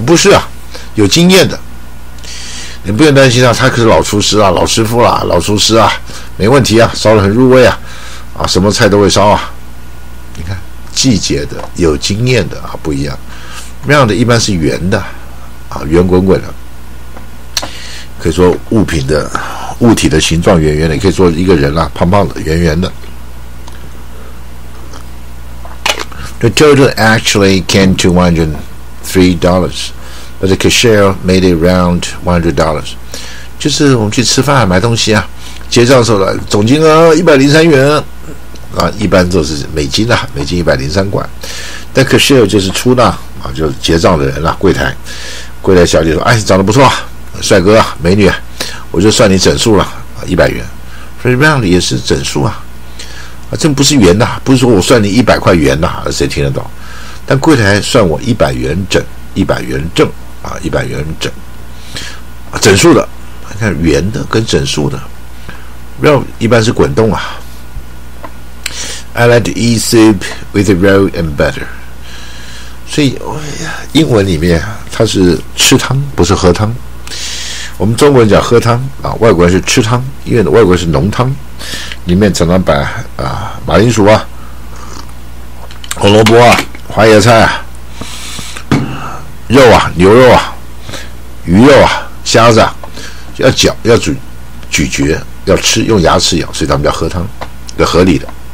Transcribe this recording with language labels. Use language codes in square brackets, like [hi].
[zh] 不是啊，有经验的。你不用担心啊，他可是老厨师啊，老师傅啦、啊，老厨师啊，没问题啊，烧得很入味啊，啊，什么菜都会烧啊。你看，季节的、有经验的啊，不一样。那样的一般是圆的。啊，圆滚滚的，可以说物品的物体的形状圆圆的，可以说一个人啊胖胖的圆圆的。 [en] The total actually came to $103, but the cashier made it round $100. [zh] 就是我们去吃饭买东西啊，结账时候总金额103元啊，一般都是美金啊，美金103块，但 cashier 就是出纳啊，就是结账的人啊，柜台柜台小姐说：“哎，长得不错，帅哥、啊、美女，我就算你整数了，100元。所以 round 也是整数啊，啊，这不是元的，不是说我算你100块元的，谁听得懂？但柜台算我100元整，啊、整数的，你看元的跟整数的 ，round 一般是滚动啊。 [en] I like to eat soup with the roll and butter。” [zh] 所以英文里面它是吃汤不是喝汤，我们中国人讲喝汤啊，外国人是吃汤，因为外国人是浓汤，里面常常摆啊马铃薯啊、红萝卜啊、花椰菜啊、肉啊、牛肉啊、鱼肉啊、虾子啊，要嚼要咀嚼要吃，用牙齿咬，所以他们叫喝汤，这合理的。